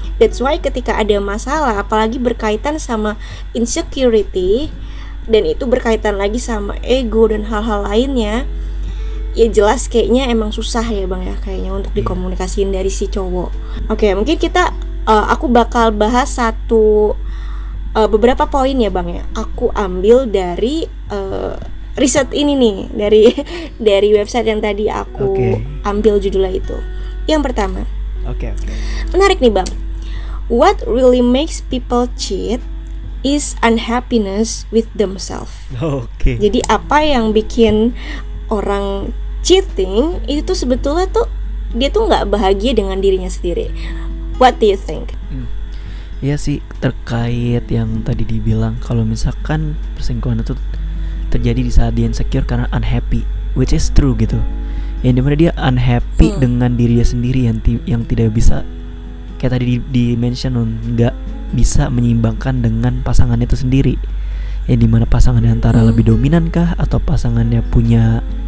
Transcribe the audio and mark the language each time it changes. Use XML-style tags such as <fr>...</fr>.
<en>That's why</en> <id>ketika ada masalah, apalagi berkaitan sama insecurity, dan itu berkaitan lagi sama ego dan hal-hal lainnya, ya jelas kayaknya emang susah ya bang ya, kayaknya untuk dikomunikasiin dari si cowok. Oke, mungkin kita aku bakal bahas satu beberapa poin ya bang ya. Aku ambil dari riset ini nih, dari website yang tadi aku ambil judulnya itu. Yang pertama, menarik nih bang,</id> <en>what really makes people cheat is unhappiness with themselves.</en> <id>Jadi apa yang bikin orang cheating itu sebetulnya tuh dia tuh gak bahagia dengan dirinya sendiri.</id> <en>What do you think?</en> <id>Ya sih, terkait yang tadi dibilang, kalau misalkan perselingkuhan itu terjadi di saat dia insecure karena unhappy,</id> <en>which is true</en> <id>gitu, yang dimana dia unhappy dengan dirinya sendiri yang tidak bisa, kayak tadi di mention, nggak bisa menyeimbangkan dengan pasangannya itu sendiri, yang dimana pasangannya antara lebih dominan kah atau pasangannya punya</id>